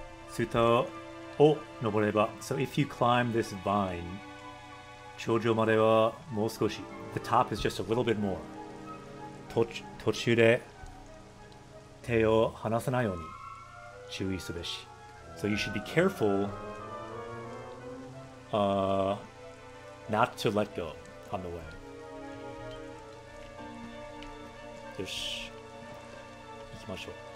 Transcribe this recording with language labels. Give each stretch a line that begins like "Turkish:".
Japanese: Tsuta o noboreba.
English: So if you climb this vine...
Japanese: 頂上まではもう少し。
English: The top is just a little bit more.
Japanese: 途中で手を離さないように注意すべし。
English: So you should be careful not to let go on the way.
Japanese: よし。行きましょう。